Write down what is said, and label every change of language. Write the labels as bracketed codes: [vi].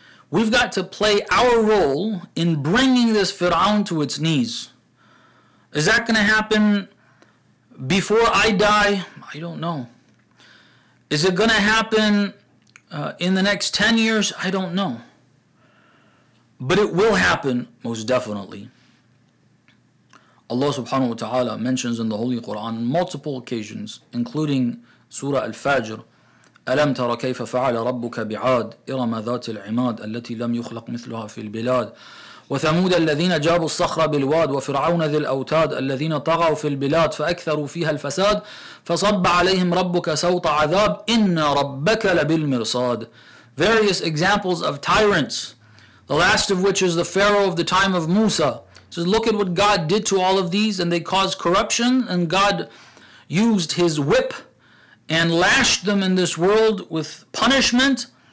[en] We've got to play our role in bringing this Fir'aun to its knees. Is that going to happen before I die? I don't know. Is it going to happen in the next 10 years? I don't know. But it will happen, most definitely. Allah subhanahu wa ta'ala mentions in the Holy Quran multiple occasions, including Surah Al-Fajr, [ar] أَلَمْ تَرَ كَيْفَ فَعَلَ رَبُّكَ بِعَادٍ إِرَمَ ذَاتِ الْعِمَادِ الَّتِي لَمْ يُخْلَقْ مِثْلُهَا فِي الْبِلَادِ وَثَمُودَ الَّذِينَ جَابُوا الصَّخْرَ بِالْوَادِ وَفِرْعَوْنَ ذِي الْأَوْتَادِ الَّذِينَ طَغَوْا فِي الْبِلَادِ فَأَكْثَرُوا فِيهَا الْفَسَادِ فَصَبَّ عَلَيْهِمْ رَبُّكَ سَوْطَ عَذَابٍ إِنَّ رَبَّكَ لَبِالْمِرْصَادِ. [en] Various examples of tyrants, the last of which is the Pharaoh of the time of Musa. It says, look at what God did to all of these, and they caused corruption, and God used his whip and lashed them in this world with punishment.